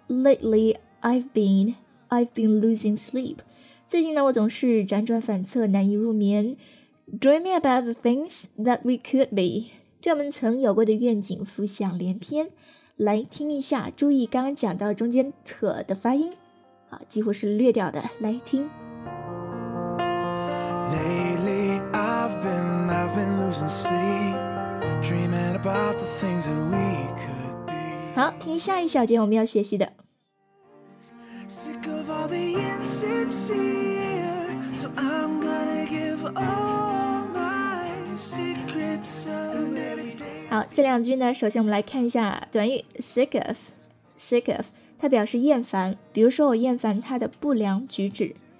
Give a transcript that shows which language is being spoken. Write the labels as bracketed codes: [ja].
[en] Lately I've been losing sleep， [zh] 最近呢我总是辗转反侧，难以入眠。 [en] Dreaming about the things that we could be， [zh] 对我们曾有过的愿景浮想联翩，来听一下，注意刚刚讲到中间 t 的发音，啊，几乎是略掉的，来听。 [en] Lately I've been losing sleep, dreaming about the things that we could be. [zh] 好，听下一小节我们要学习的。 [en] Sick of all the insincere, so I'm gonna give all my secrets up. [zh] 好，这两句呢，首先我们来看一下短语 sick of， 它表示厌烦，比如说我厌烦他的不良举止。